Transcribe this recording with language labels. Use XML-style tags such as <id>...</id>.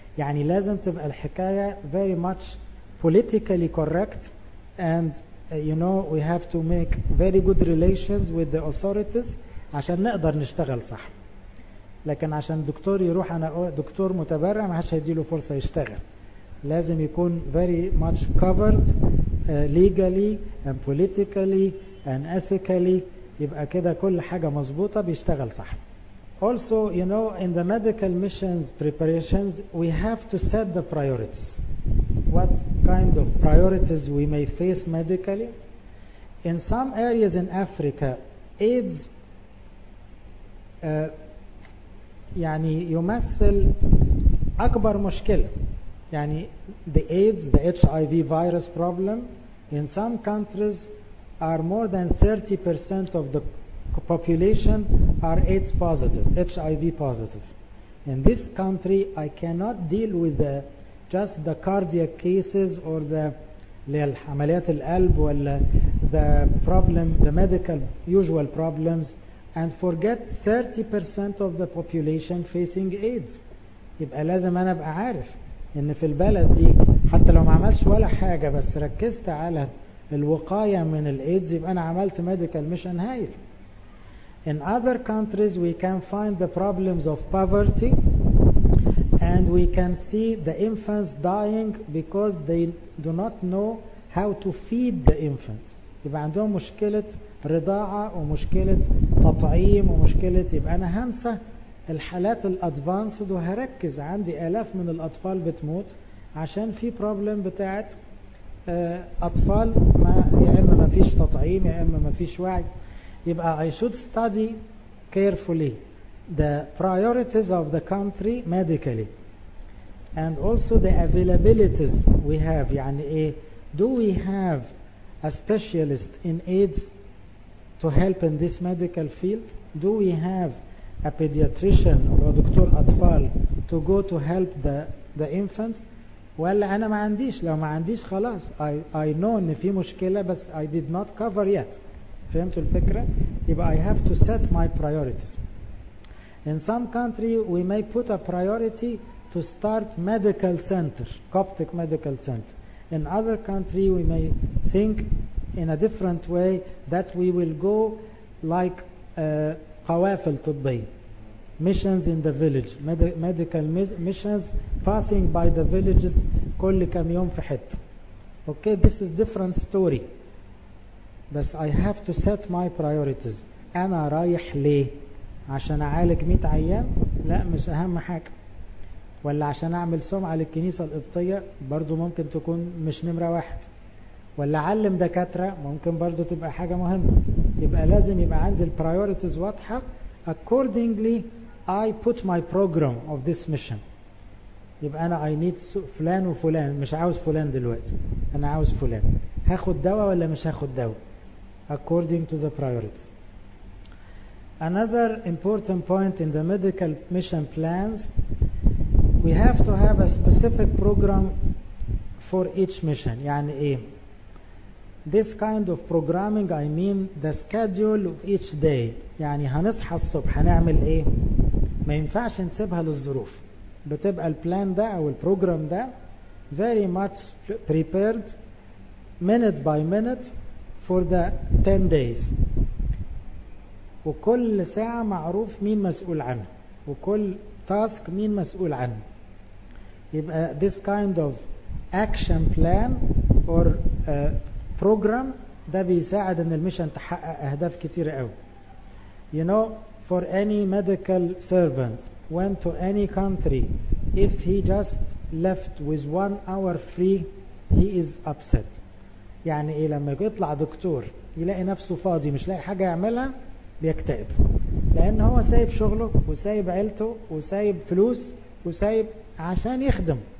<ar>يعني لازم تبقى الحكاية</ar> <en>very much politically correct, and you know we have to make very good relations with the authorities</en> <ar>عشان نقدر نشتغل صح. لكن عشان دكتور يروح أنا دكتور متبرع ما حدش هيديله فرصة يشتغل. لازم يكون</ar> <en>very much covered legally and politically and ethically.</en> <ar>يبقى كده كل حاجة مظبوطة بيشتغل صح.</ar> <en>Also, you know, in the medical missions preparations, we have to set the priorities. What kind of priorities we may face medically? In some areas in Africa, AIDS</en> <ar>يعني يمثل أكبر مشكلة. يعني</ar> <en>the AIDS, the HIV virus problem, in some countries are more than 30% of the population are AIDS positive, HIV positive. In this country, I cannot deal with the, just the cardiac cases or the</en> <ar>عمليات القلب ولا</ar> <en>the problem, the medical usual problems, and forget 30% of the population facing AIDS.</en> <ar>يبقى لازم أنا أبقى عارف إن في البلد دي حتى لو ما عملش ولا حاجة بس ركزت على الوقاية من الإيدز يبقى أنا عملت medical mission هايل.</ar> <en>In other countries we can find the problems of poverty, and we can see the infants dying because they do not know how to feed the infants.</en> <ar>يبقى عندهم مشكلة رضاعة ومشكلة تطعيم ومشكلة يبقى أنا همسة الحالات الأدفانسد وهركز عندي آلاف من الأطفال بتموت عشان في problem بتاعت أطفال ما يا إما ما فيش تطعيم يا إما ما فيش وعي. يبقى</ar> <en>I should study carefully the priorities of the country medically and also the availabilities we have.</en> <ar>يعني إيه</ar> <en>do we have a specialist in AIDS to help in this medical field? Do we have a pediatrician or a</en> <ar>دكتور أطفال</ar> <en>to go to help the infants?</en> <ar>ولا أنا ما عنديش. لو ما عنديش خلاص</ar> <en>I know</en> <ar>إن في مشكلة بس</ar> <en>I did not cover yet.</en> <ar>فهمتوا الفكرة؟ يبقى</ar> <en>I have to set my priorities. In some country we may put a priority to start medical center, Coptic medical center. In other country we may think in a different way that we will go like</en> <ar>قوافل طبية.</ar> <en>Missions in the village, medical missions passing by the villages</en> <ar>كل كم يوم في حتة.</ar> <en>Okay, this is different story. But I have to set my priorities.</en> <ar>أنا رايح ليه؟ عشان أعالج 100 عيان؟ لا مش أهم حاجة. ولا عشان أعمل سمعة للكنيسة القبطية؟ برضو ممكن تكون مش نمرة واحد. ولا أعلم دكاترة؟ ممكن برضو تبقى حاجة مهمة. يبقى لازم يبقى عندي البرايورتيز واضحة.</ar> <en>Accordingly I put my program of this mission.</en> <ar>يبقى أنا</ar> <en>I need</en> <ar>فلان وفلان، مش عاوز فلان دلوقتي، أنا عاوز فلان. هاخد دواء ولا مش هاخد دواء؟</ar> <en>According to the priorities. Another important point in the medical mission plans, we have to have a specific program for each mission.</en> <ar>يعني إيه؟</ar> <en>This kind of programming I mean the schedule of each day.</en> <ar>يعني هنصحى الصبح هنعمل إيه؟ ما ينفعش نسيبها للظروف. بتبقى البلان ده أو البروجرام ده</ar> <en>very much prepared minute by minute for the 10 days.</en> <ar>وكل ساعة معروف مين مسؤول عنه وكل task مين مسؤول عنه. يبقى</ar> <en>this kind of action plan or program</en> <ar>ده بيساعد ان المشن تحقق اهداف كتير قوي.</ar> <en>You know, for any medical servant went to any country, if he just left with 1 hour free, he is upset.</en> <ar>يعني ايه؟ لما يطلع دكتور يلاقي نفسه فاضي مش لاقي حاجة يعملها بيكتئب، لان هو سايب شغله وسايب عيلته وسايب فلوس وسايب عشان يخدم.</ar>